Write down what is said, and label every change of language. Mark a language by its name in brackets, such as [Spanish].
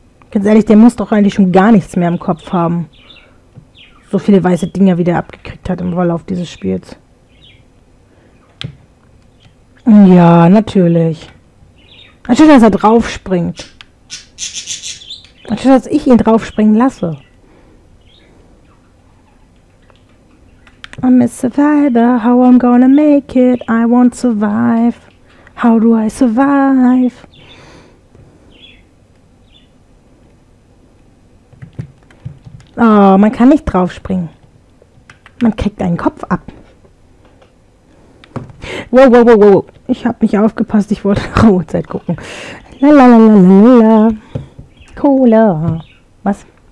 [German] Ganz ehrlich, der muss doch eigentlich schon gar nichts mehr im Kopf haben. So viele weiße Dinger, wie der abgekriegt hat im Verlauf dieses Spiels. Ja, natürlich. Natürlich, dass er draufspringt. Natürlich, dass ich ihn draufspringen lasse. [English] I'm a survivor, how I'm gonna make it, I won't survive, how do I survive? [German] Oh, man kann nicht drauf springen. Man kriegt einen Kopf ab. Wow, ich hab nicht aufgepasst, ich wollte Ruhezeit gucken. Lalalalala, Cola, was?